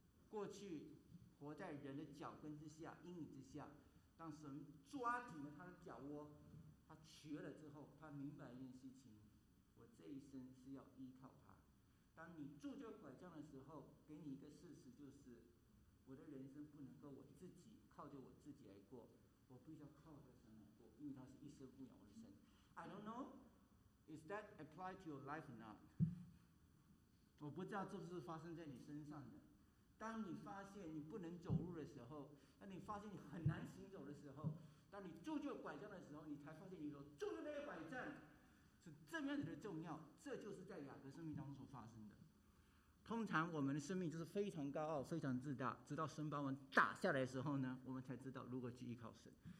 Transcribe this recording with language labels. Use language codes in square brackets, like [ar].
[zh] 过去活在人的脚跟之下，阴影之下，当神抓紧了他的脚窝，他瘸了之后，他明白一件事情：我这一生是要依靠他。当你拄着拐杖的时候，给你一个事实，就是我的人生不能够我自己靠着我自己来过，我必须要靠着神来过，因为他是一生牧养我的神。 [en] I don't know, is that applied to your life or not? [zh] 我不知道这是发生在你身上的。当你发现你不能走路的时候，当你发现你很难行走的时候。当你拄着拐杖的时候，你才发现你所拄着那个拐杖是这样子的重要。这就是在雅各生命当中所发生的。通常我们的生命就是非常高傲、非常自大，直到神把我们打下来的时候呢，我们才知道如何去依靠神。